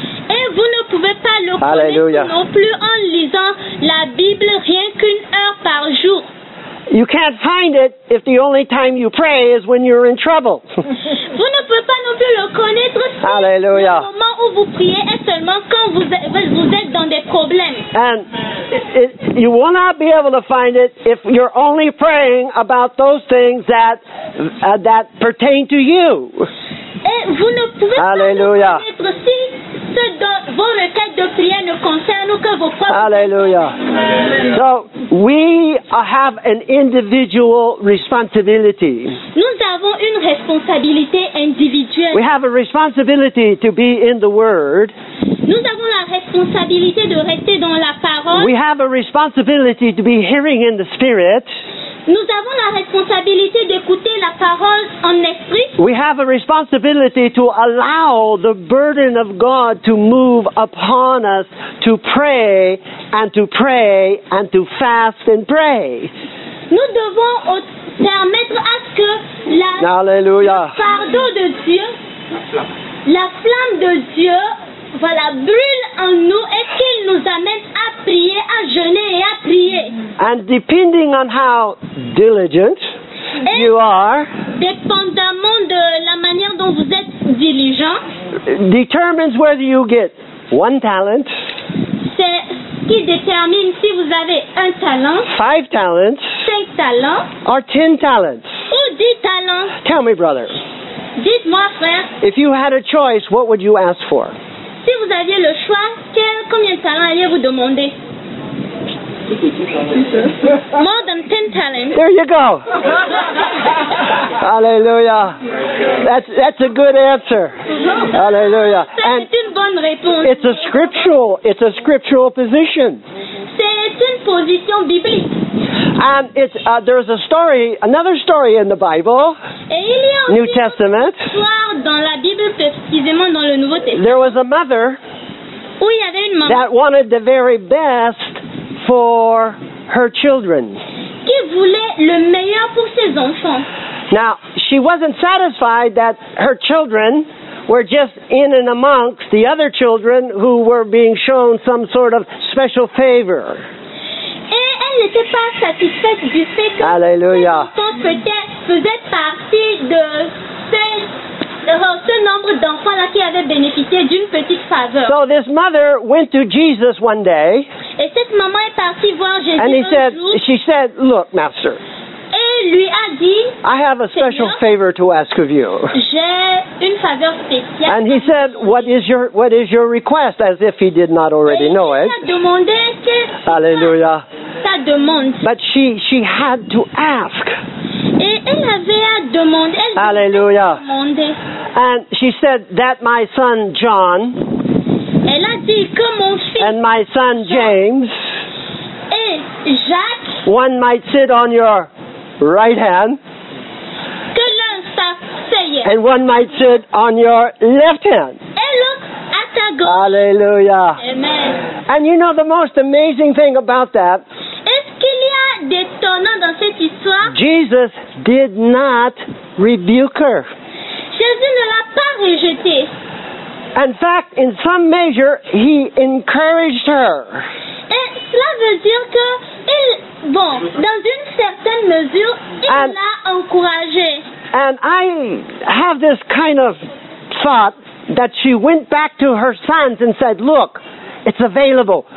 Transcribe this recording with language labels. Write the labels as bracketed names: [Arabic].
[French] Et vous ne pouvez pas le Alléluia. Connaître non plus en lisant la Bible rien qu'une heure par jour. [English] You can't find it if the only time you pray is when you're in trouble. [French] Vous ne pouvez pas non plus le connaître si Alléluia. Le moment où vous priez est seulement quand vous êtes dans des problèmes. [English] And you will not be able to find it if you're only praying about those things that that pertain to you. [French] Et vous ne pouvez Alléluia. Pas le connaître si vos requêtes de prière ne concernent que vos propres. [English] Alléluia. So we have an individual responsibility. [French] Nous avons une responsabilité individuelle. [English] We have a responsibility to be in the Word. [French] Nous avons la responsabilité de rester dans la parole. [English] We have a responsibility to be hearing in the Spirit. [French] Nous avons la responsabilité d'écouter la parole en esprit. [English] We have a responsibility to allow the burden of God to move upon us to pray and to pray and to fast and pray. [French] Nous devons permettre à ce que Alléluia. Le fardeau de Dieu, la flamme de Dieu, voilà, brûle en nous et qu'il nous amène à prier, à jeûner et à prier. [English] And depending on how diligent [French] et [English] you are, [French] dépendamment de la manière dont vous êtes diligent, [English] determines whether you get one talent, [French] c'est qui détermine si vous avez un talent, [English] five talents, [French] cinq talents, [English] or ten talents, [French] ou dix talents. [English] Tell me, brother. [French] Dites-moi, frère. [English] If you had a choice, what would you ask for? [French] Si vous aviez le choix, combien de talents alliez-vous demander? [English] More than 10 talents. There you go. Alléluia. That's a good answer. Alléluia. [French] C'est une bonne réponse. [English] It's a scriptural position. [French] C'est une position biblique. [English] And there's another story in the Bible, New Testament. [French] Dans la Bible, précisément dans le Nouveau Testament. [English] There was a mother [French] où il y avait une maman [English] that wanted the very best for her children. [French] Qui voulait le meilleur pour ses enfants. [English] Now, she wasn't satisfied that her children were just in and amongst the other children who were being shown some sort of special favor. [French] Elle n'était pas satisfaite du fait que Alléluia. Ses enfants faisaient partie de ce nombre d'enfants-là qui avaient bénéficié d'une petite faveur. [English] So this mother went to Jesus one day, [French] et cette maman est partie voir Jésus [English] and he [French] un [English] said, [French] jour. [English] She said, "Look, master, [French] et lui a dit, [English] I have a special [French] Seigneur, [English] favor to ask of you. [French] J'ai une faveur spéciale." [English] And he said, what is your request? As if he did not already [French] et [English] know [French] il [English] it. [French] A demandé que Alléluia. Ta demande. [English] But she had to ask. [French] Et elle avait à demander. Elle Alléluia. Demander. [English] And she said that my son John [French] Elle a dit que mon fils [English] and my son James [French] et Jacques [English] one might sit on your right hand [French] que l'un s'asseye [English] and one might sit on your left hand. [French] Et l'autre à ta gauche. [English] Hallelujah. Amen. And you know the most amazing thing about that? [French] Est-ce qu'il y a d'étonnant dans cette histoire? [English] Jesus did not rebuke her. [French] Jésus ne l'a pas rejeté. [English] In fact, in some measure, he encouraged her. [French] Et cela veut dire que il, bon, dans une certaine mesure, il l'a encouragé. [English] And I have this kind of thought that she went back to her sons and said, "Look, it's available.